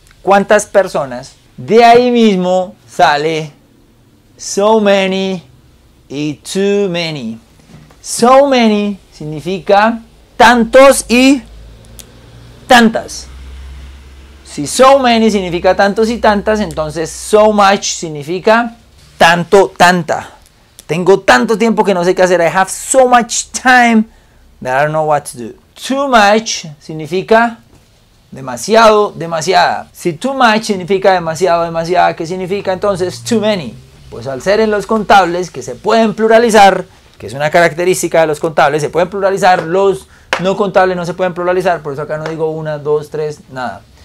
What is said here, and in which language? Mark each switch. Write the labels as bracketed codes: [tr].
[es] ¿Cuántas personas? De ahí mismo sale so many y too many. So many significa tantos y tantas. Si so many significa tantos y tantas, entonces so much significa tanto, tanta. Tengo tanto tiempo que no sé qué hacer. [en] I have so much time that I don't know what to do. [es] Too much significa demasiado, demasiada. Si too much significa demasiado, demasiada, ¿qué significa entonces too many? Pues al ser en los contables, que se pueden pluralizar, que es una característica de los contables, se pueden pluralizar, los no contables no se pueden pluralizar, por eso acá no digo una, dos, tres, nada.